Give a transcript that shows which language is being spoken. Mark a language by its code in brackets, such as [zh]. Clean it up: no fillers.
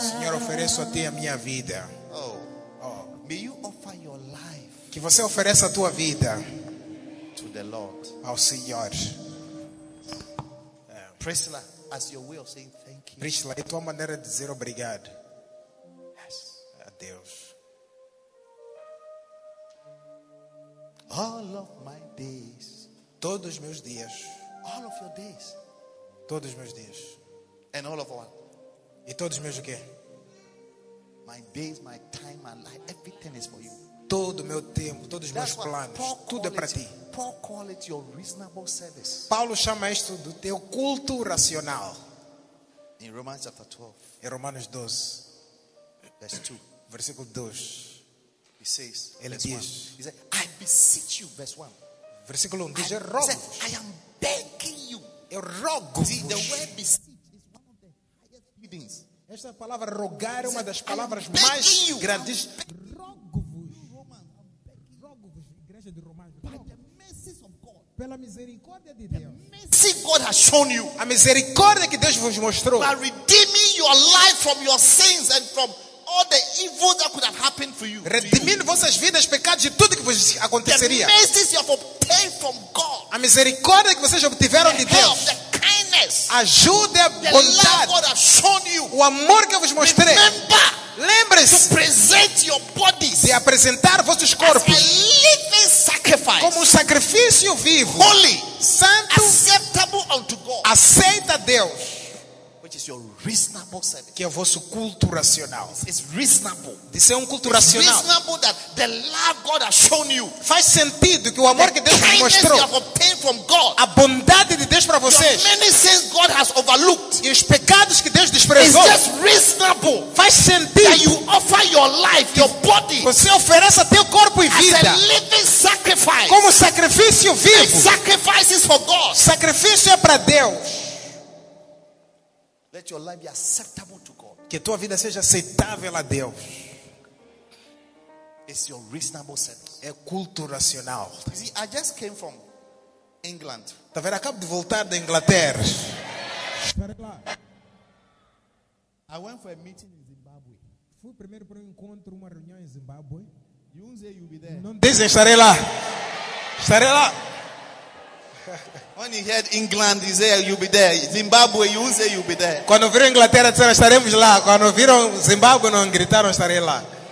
[pt] Senhor, ofereço a ti a minha vida. [en] Oh, oh. May you offer your life. [pt] Que você ofereça a tua vida [en] to the Lord. [pt] Ao Senhor. [en] Priscilla, as your way of saying thank you. [pt] Priscilla, é tua maneira de dizer obrigado. [en] Yes. [pt] A Deus. [en] All of my days. [pt] Todos os meus dias. [en] All of your days. [pt] Todos os meus dias. [en] And all of what? [pt] E todos os meus o quê? [en] My days, my time, my life, everything is for you. [pt] Todo o meu tempo, todos os meus planos, tudo é para ti. [en] Paul call it your reasonable service. [pt] Paulo chama isto do teu culto racional. [en] In Romans chapter 12. [pt] Em Romanos 12. [en] Verse 2. [pt] Versículo 2. [en] He says, [pt] ele diz, [en] he said, I beseech you, verse 1. [pt] Versículo 1 diz, eu rogo. [en] I am begging you. [pt] Eu rogo. [en] See, the word beseech is one of the highest feelings. [pt] Esta palavra rogar é uma das palavras mais grandes. Rogo-vos. Rogo-vos, igreja de Romanos. [en] By the mercies of God. [pt] Pela misericórdia de Deus. [en] See, God has shown you. [pt] A misericórdia que Deus vos mostrou. [en] By redeeming your life from your sins and from all the evil that could have happened for you. [pt] Redimindo vossas vidas, pecados e tudo que vos aconteceria. [en] The mercies you have obtained from God. [pt] A misericórdia que vocês obtiveram de Deus. [en] The kindness. [pt] Ajuda, bondade. [en] The love God has shown you. [pt] O amor que eu vos mostrei. [en] Remember. [pt] Lembre-se. [en] To present your bodies. [pt] De apresentar vossos corpos. [en] As a living sacrifice. [pt] Como um sacrifício vivo. [en] Holy. [pt] Santo. [en] Acceptable unto God. [pt] Aceita Deus. [en] Your reasonable service. [pt] Que é o vosso culto racional. [en] It's reasonable. [pt] De ser um culto racional. [en] Reasonable that the love God has shown you. [pt] Faz sentido que o amor [en] the [pt] que Deus vos mostrou. [en] You have obtained from God. [pt] A bondade de Deus para vocês. [en] The many sins God has overlooked. [pt] E os pecados que Deus desprezou. [en] It's just reasonable. [pt] Faz sentido. [en] That you offer your life, your body. [pt] Você oferece teu corpo e vida. [en] As a living sacrifice. [pt] Como sacrifício vivo. [en] A sacrifice is for God. [pt] Sacrifício é para Deus. [en] Let your life be acceptable to God. [pt] Que tua vida seja aceitável a Deus. [en] It's your reasonable service. [pt] É culto racional. [en] You see, I just came from England. [pt] Tá vendo? Acabo de voltar da Inglaterra. Espera lá. [en] I went for a meeting in Zimbabwe. [pt] Fui primeiro para um encontro, uma reunião em Zimbabwe. [en] You won't say you'll be there. [pt] Dizem, estarei lá. Estarei lá. [en] When you heard England, you say you'll be there. Zimbabwe, you say you'll be there. [pt] Quando viram Inglaterra, disseram estaremos lá. Quando viram Zimbabwe, não gritaram estarei lá.